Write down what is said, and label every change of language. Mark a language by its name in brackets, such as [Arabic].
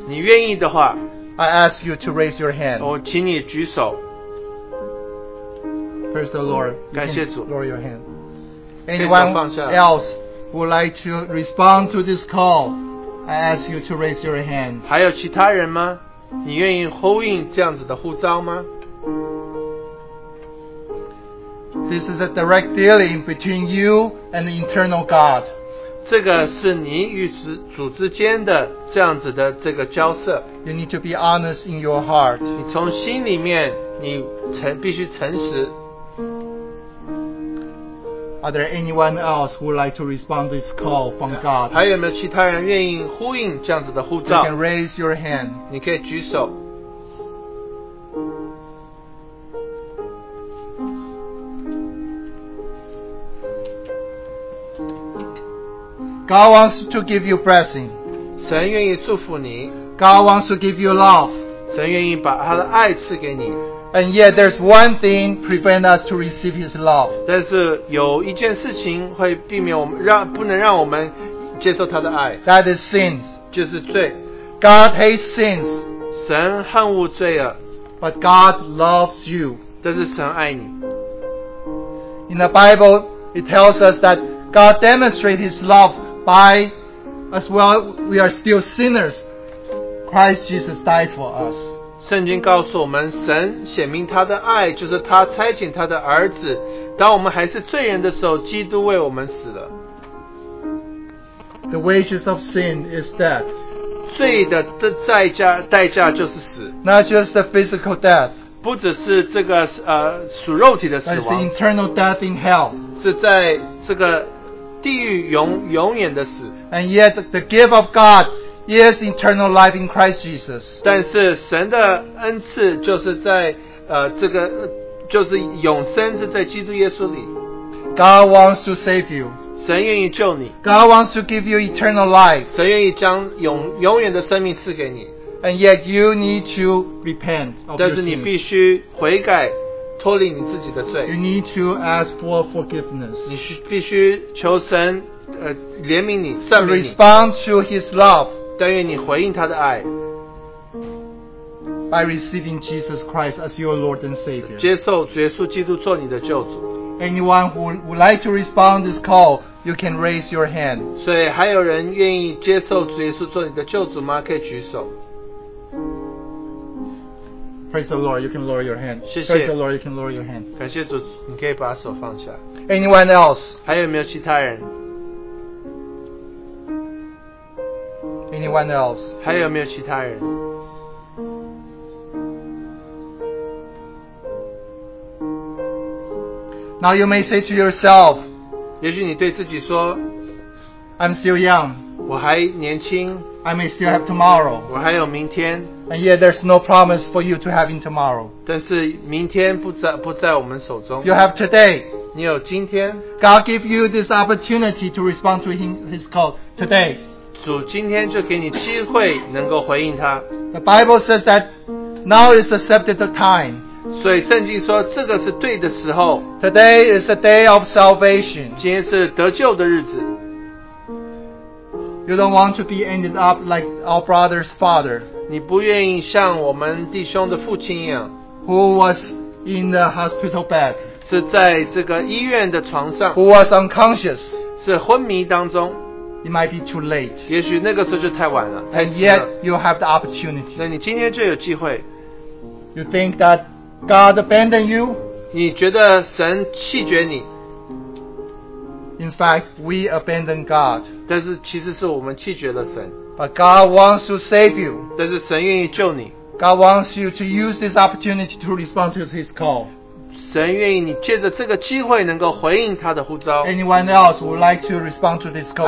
[Chinese] 你愿意的话, [English] I ask you to raise your hand. [Chinese] 我请你举手。 [English] Praise the Lord. [Chinese] 感谢主。 [English] Lower your hand. Anyone else would like to respond to this call, I ask you to raise your hands. [Chinese] 还有其他人吗? 你愿意呼应这样子的呼召吗? [English] This is a direct dealing between you and the eternal God. [Chinese] 这个是你与主之间的这样子的这个交涉。 [English] You need to be honest in your heart. [Chinese] 你从心里面，你诚必须诚实。 [English] Are there anyone else who would like to respond to this call from God? [Chinese] 还有没有其他人愿意呼应这样子的呼召？ [English] You can raise your hand. [Chinese] 你可以举手。 [English] God wants to give you blessing. [Chinese] 神愿意祝福你。 [English] God wants to give you love. [Chinese] 神愿意把他的爱赐给你。 [English] And yet there's one thing prevent us to receive his love. [Chinese] 但是有一件事情会避免我们让不能让我们接受他的爱。 [English] That is sins. [Chinese] 就是罪。 [English] God hates sins. [Chinese] 神恨恶罪恶。 [English] But God loves you. [Chinese] 但是神爱你。 [English] In the Bible, it tells us that God demonstrates his love by, as well, we are still sinners. Christ Jesus died for us. [Chinese] 圣经告诉我们，神显明他的爱，就是他差遣他的儿子。当我们还是罪人的时候，基督为我们死了。 [English] The wages of sin is death. [Chinese] 罪的代价就是死。 [English] Not just the physical death. [Chinese] 不只是这个属肉体的死亡。 [English] It's the internal death in hell. [Chinese] 是在这个地狱永远的死。 [English] And yet the gift of God is eternal life in Christ Jesus. [Chinese] 但是神的恩赐就是在这个就是永生是在基督耶稣里。 [English] God wants to save you. [Chinese] 神愿意救你。 [English] God wants to give you eternal life. [Chinese] 神愿意将永远的生命赐给你。 [English] And yet you need to repent of your sins. [Chinese] 但是你必须悔改。脱离你自己的罪。 [English] You need to ask for forgiveness. [Chinese] 你必须求神怜悯你，赦免你。 [English] Respond to His love. [Chinese] 但愿你回应他的爱。 [English] By receiving Jesus Christ as your Lord and Savior. [Chinese] 接受主耶稣基督做你的救主。 [English] Anyone who would like to respond this call, you can raise your hand. [Chinese] 所以还有人愿意接受主耶稣做你的救主吗？可以举手。 [English] Praise the Lord, you can lower your hand. [Chinese] 谢谢。 [English] Praise the Lord, you can lower your hand. [Chinese] 感谢主，你可以把手放下。 [English] Anyone else? [Chinese] 还有没有其他人？ [English] Anyone else? [Chinese] 还有没有其他人？ [English] Now you may say to yourself, [Chinese] 也许你对自己说， [English] I'm still young. [Chinese] 我还年轻。 [English] I may still have tomorrow. [Chinese] 我还有明天。 [English] And yet there's no promise for you to have in tomorrow. [Chinese] 但是明天不在我们手中。 [English] You have today. [Chinese] 你有今天。 [English] God give you this opportunity to respond to his call today. [Chinese] 主今天就给你机会能够回应他。 [English] The Bible says that now is the accepted time. [Chinese] 所以圣经说这个是对的时候。 [English] Today is the day of salvation. [Chinese] 今天是得救的日子。 [English] You don't want to be ended up like our brother's father. [Chinese] 你不愿意像我们弟兄的父亲一样。 [English] Who was in the hospital bed. [Chinese] 是在这个医院的床上。 [English] Who was unconscious. [Chinese] 是昏迷当中。 [English] It might be too late. [Chinese] 也许那个时候就太晚了。 [English] And yet you have the opportunity. [Chinese] 那你今天就有机会。 [English] You think that God abandoned you. [Chinese] 你觉得神弃绝你。 [English] In fact, we abandon God. [Chinese] 但是其实是我们弃绝了神。 [English] But God wants to save you. [Chinese] 但是神愿意救你。 [English] God wants you to use this opportunity to respond to His call. [Chinese] 神愿意你借着这个机会能够回应他的呼召。 [English] Anyone else would like to respond to this call?